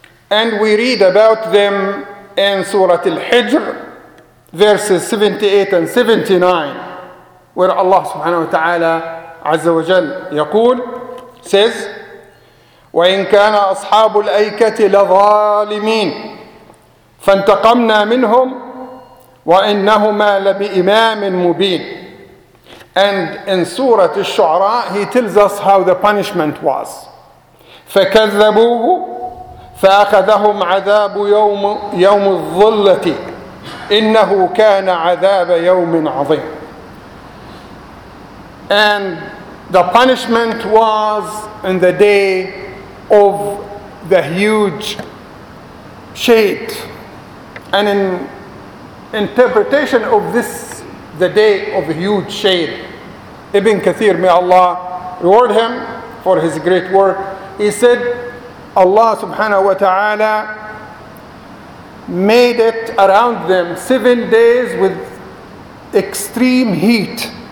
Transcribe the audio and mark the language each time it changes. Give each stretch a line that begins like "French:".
English: And we read about them in Surah Al-Hijr, verses 78 and 79, where Allah subhanahu wa ta'ala
Arabic: عز وجل يقول
English: says
Arabic: وإن كان أصحاب الأيكة لظالمين فانتقمنا منهم وإنهما لبإمام مبين.
English: And in Surah الشعراء he tells us how the punishment was.
Arabic: فكذبوه فأخذهم عذاب يوم الظلة إنه كان عذاب يوم عظيم.
English: And the punishment was in the day of the huge shade. And in interpretation of this, the day of a huge shade, Ibn Kathir, may Allah reward him for his great work, he said, Allah subhanahu wa ta'ala made it around them 7 days with extreme heat.